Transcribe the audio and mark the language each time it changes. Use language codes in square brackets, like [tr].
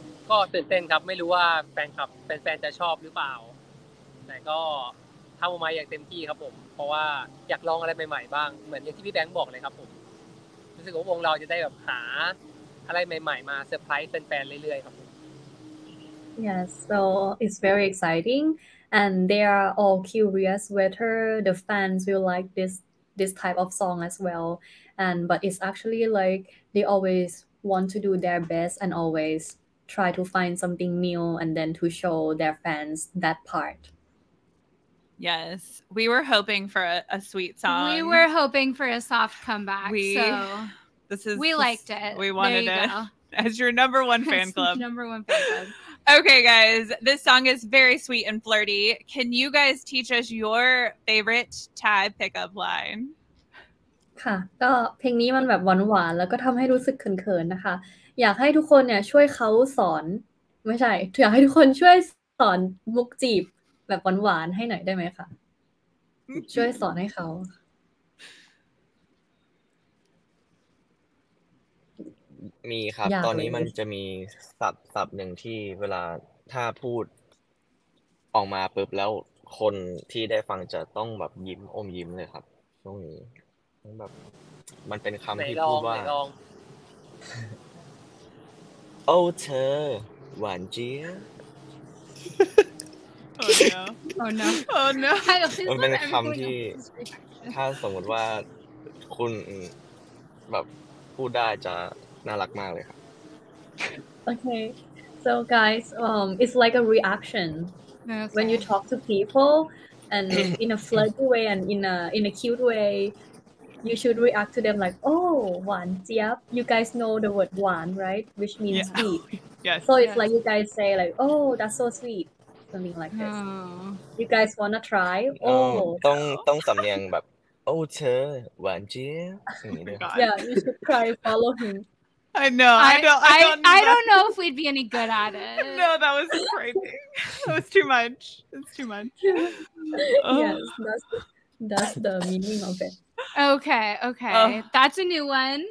[th] ก็ตื่นเต้นครับไม่รู้ว่าแฟนคลับแฟนๆจะชอบหรือเปล่าแต่ก็ทำออกมาอย่างเต็มที่ครับผมเพราะว่าอยากลองอะไรใหม่ๆบ้างเหมือนอย่างที่พี่แบงค์บอกเลยครับผมรู้สึกว่าวงเราจะได้แบบหาอะไรใหม่ๆมาเซอร์ไพรส์แฟนๆเรื่อยๆครับ [en] Yes so it's very excitingAnd they are all curious whether the fans will like this type of song as well. And but it's actually like they always want to do their best and always try to find something new and then to show their fans that part. Yes, we were hoping for a sweet song. We were hoping for a soft comeback. We liked it. As your number one fan club. Number one fan club. Okay, guys, this song is very sweet and flirty. Can you guys teach us your favorite Thai pickup line? [th] ค่ะก็เพลงนี้มันแบบหวานๆแล้วก็ทำให้รู้สึกเขินๆนะคะอยากให้ทุกคนเนี่ยช่วยเขาสอนไม่ใช่อยากให้ทุกคนช่วยสอนมุกจีบแบบหวานๆให้หน่อยได้ไหมคะช่วยสอนให้เขา มีครับตอนนี้มันจะมีศัพท์หนึ่งที่เวลาถ้าพูดออกมาปุ๊บแล้วคนที่ได้ฟังจะต้องแบบยิ้มอมยิ้มเลยครับช่วงนี้แบบมันเป็นคำที่พูดว่าโอ้เธอหวานเจี๊ย โอ้ [en] no โอ้ no [th] มันเป็นคำที่ถ้าสมมติว่าคุณแบบพูดได้จะน่ารักมากเลยครับ [en] Okay so guys it's like a reaction when you talk to people and in a flirty way and in a cute way you should react to them like oh หวานเจี๊ยบ you guys know the word หวาน right which means sweet yes so it's like you guys say like oh that's so sweet something like this you guys wanna try oh [th] ต้องสำเนียงแบบ oh เธอหวานเจี๊ยบ [en] yeah you should try follow him I know. I don't know if we'd be any good at it. No, that was crazy. That was too much. It's too much. Oh. Yes, that's the meaning of it. Okay. Oh. That's a new one.